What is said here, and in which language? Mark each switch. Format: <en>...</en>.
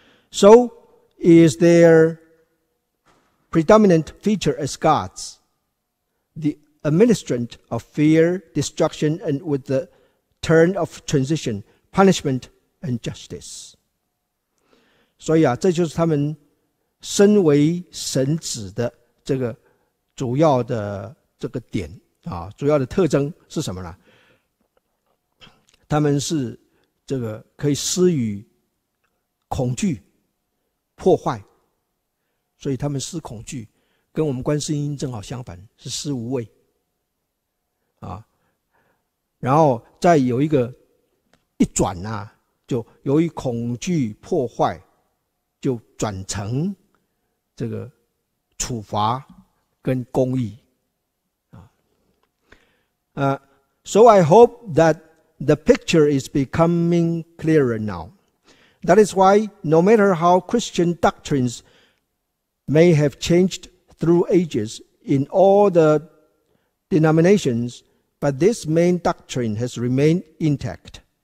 <en>So is their predominant feature as gods, the administrant of fear, destruction, and with the turn of transition, punishment and justice.</en> <zh>所以啊，这就是他们身为神子的这个主要的这个点啊，主要的特征是什么呢？他们是这个可以施予恐惧破坏，所以他们施恐惧跟我们观世音正好相反，是施无畏啊。然后再有一个一转啊，就由于恐惧破坏就转成这个处罚跟公义啊。</zh> <en>So I hope that the picture is becoming clearer now. That is why no matter how Christian doctrines may have changed through ages in all the denominations, but this main doctrine has remained intact.</en>